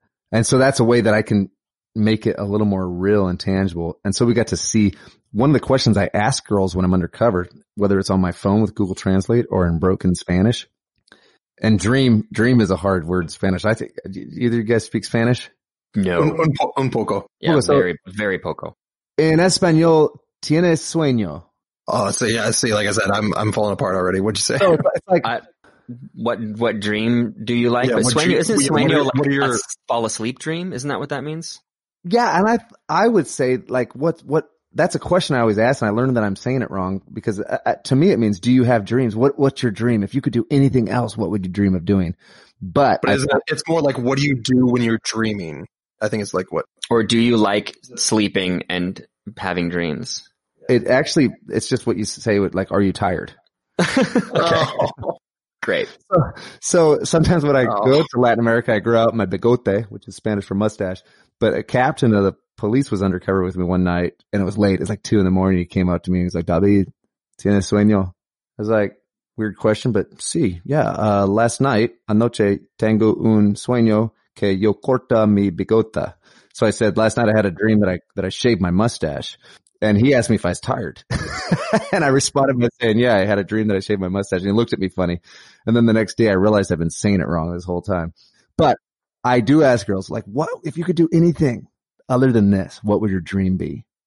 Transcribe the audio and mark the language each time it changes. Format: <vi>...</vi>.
<en>And so that's a way that I can make it a little more real and tangible. And so we got to see one of the questions I ask girls when I'm undercover, whether it's on my phone with Google Translate or in broken Spanish. And dream is a hard word in Spanish. I think either of you guys speak Spanish? No.</en> <es>Un poco.</es> <en>Yeah, so, very, very poco.</en> <es>En español, ¿tienes sueño?</es> <en>Oh, so yeah, see, like I said, I'm falling apart already. What'd you say? So it's like, what dream do you like? Yeah, sueño, isn't sueño a fall asleep dream? Isn't that what that means? Yeah, and I would say, like, what, that's a question I always ask, and I learned that I'm saying it wrong, because to me it means, do you have dreams? What's your dream? If you could do anything else, what would you dream of doing? It's more like, what do you do when you're dreaming? I think it's like what? Or do you like sleeping and having dreams? It's just what you say with, like, are you tired? Great. So sometimes when I go to Latin America, I grow out my bigote, which is Spanish for mustache, but a captain of the police was undercover with me one night, and it was late. It's like 2 a.m. He came out to me and he's like, David,</en> <es>¿tienes sueño?</es> <en>I was like, weird question, but sí, yeah. Last night,</en> <es>anoche, tengo un sueño que yo corta mi bigota.</es> <en>So I said, last night I had a dream that I shaved my mustache. And he asked me if I was tired. And I responded by saying, yeah, I had a dream that I shaved my mustache. And he looked at me funny. And then the next day I realized I've been saying it wrong this whole time. But I do ask girls, like, what if you could do anything other than this, what would your dream be?</en>